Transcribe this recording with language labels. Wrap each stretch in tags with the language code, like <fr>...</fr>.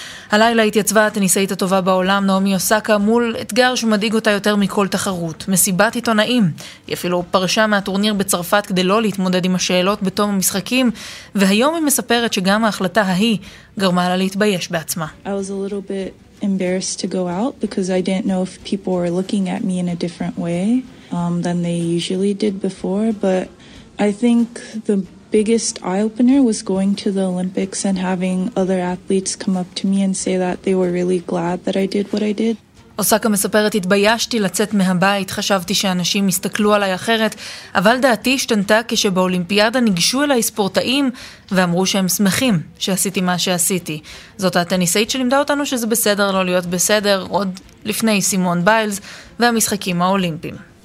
<he>הלילה התייצבה הטניסאית הטובה בעולם, נעומי אוסאקה, מול אתגר שמדאיג אותה יותר מכל תחרות. מסיבת עיתונאים. היא אפילו פרשה מהטורניר בצרפת כדי לא להתמודד עם השאלות בתום המשחקים, והיום היא מספרת שגם ההחלטה ההיא גרמה לה להתבייש בעצמה.</he> <en>I was a little bit embarrassed to go out because I didn't know if people were looking at me in a different way than they usually did before, but I think the biggest eye opener was going to the Olympics and having other athletes come up to me and say that they were really glad that I did what I did.</en> <he>אוסאקה מספרת, התביישתי לצאת מהבית, חשבתי שאנשים יסתכלו עליי אחרת, אבל דעתי השתנתה כשבאולימפיאדה ניגשו אליי ספורטאים ואמרו שהם שמחים שעשיתי מה שעשיתי. זאת הטניסאית שלימדה אותנו שזה בסדר לא להיות בסדר, עוד לפני סימון ביילס והמשחקים האולימפיים.</he>